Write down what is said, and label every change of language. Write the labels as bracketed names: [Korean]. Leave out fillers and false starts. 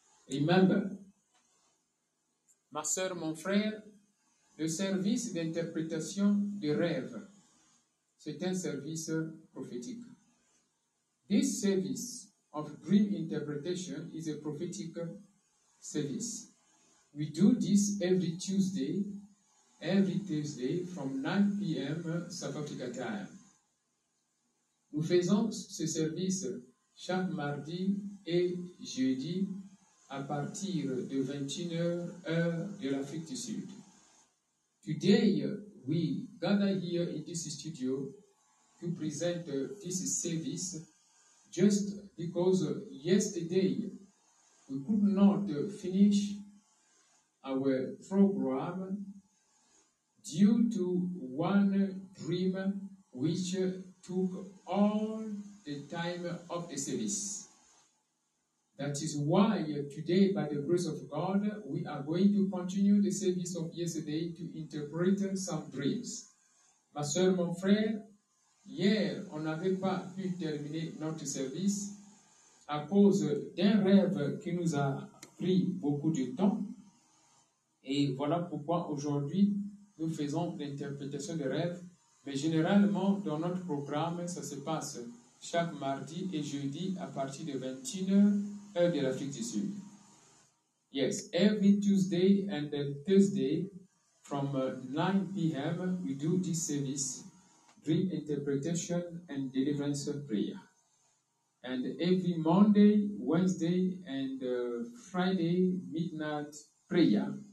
[French] Remember, ma soeur, mon frère, le service d'interprétation de rêves, c'est un service prophétique. [English] This service of dream interpretation is a prophetic service. We do this every Tuesday from 9 p.m. South Africa time. [French] Nous faisons ce service chaque mardi et jeudi à partir de 21h, heure de l'Afrique du Sud. [English] Today, we gather here in this studio to present this service just because yesterday we could not finish our program due to one dream which took all the time of the service. That is why today, by the grace of God, we are going to continue the service of yesterday to interpret some dreams. [French] Ma soeur, mon frère, hier, on n'avait pas pu terminer notre service à cause d'un rêve qui nous a pris beaucoup de temps. Et voilà pourquoi aujourd'hui, nous faisons l'interprétation des rêves. Mais généralement, dans notre programme, ça se passe chaque mardi et jeudi à partir de 21h. De l'Afrique du Sud. [English] Yes, every Tuesday and Thursday from 9 p.m. we do this service, Dream Interpretation and Deliverance Prayer. And every Monday, Wednesday and Friday, Midnight Prayer.